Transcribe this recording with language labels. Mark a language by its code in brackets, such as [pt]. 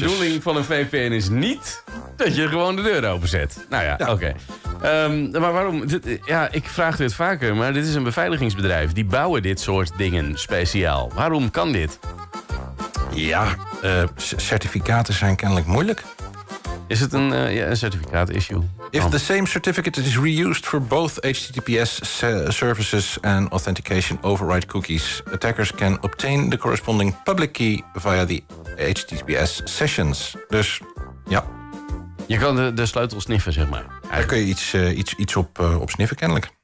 [nl] De bedoeling van een VPN is niet dat je gewoon de deur openzet. Nou ja, oké. Maar waarom? Ik vraag dit vaker, maar dit is een beveiligingsbedrijf. Die bouwen dit soort dingen speciaal. Waarom kan dit? Ja, certificaten zijn kennelijk moeilijk. Is het een certificaat issue? [en] If the same certificate is reused for both HTTPS services and authentication override cookies, attackers can obtain the corresponding public key via the HTTPS sessions. [nl] Dus, ja. Je kan de sleutel sniffen, zeg maar. Daar kun je iets op sniffen, kennelijk.